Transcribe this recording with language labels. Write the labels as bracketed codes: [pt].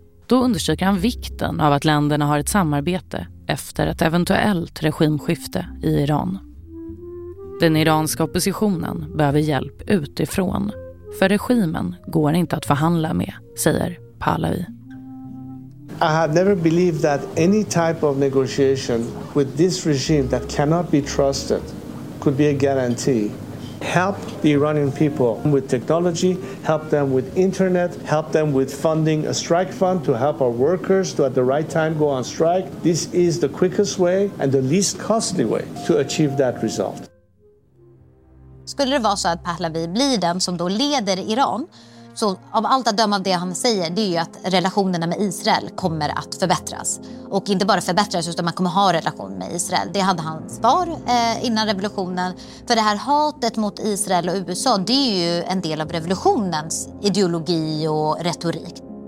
[sv] Då understryker han vikten av att länderna har ett samarbete efter ett eventuellt regimskifte i Iran. Den iranska oppositionen behöver hjälp utifrån, för regimen går inte att förhandla med, säger Pahlavi. [en] I have never believed that any type of negotiation with this regime that cannot be trusted could be a guarantee. Help the Iranian people with technology, help them with internet, help them with funding a strike fund to help our workers to at the right time go on strike. This is the quickest way and the least costly way to achieve that result. [sv] Skulle det vara så att Pahlavi blir den som då leder Iran, så av allt att döma av det han säger, det är ju att relationerna med Israel kommer att förbättras. Och inte bara förbättras, utan man kommer ha relation med Israel. Det hade han svar innan revolutionen. För det här hatet mot Israel och USA, det är ju en del av revolutionens ideologi och retorik.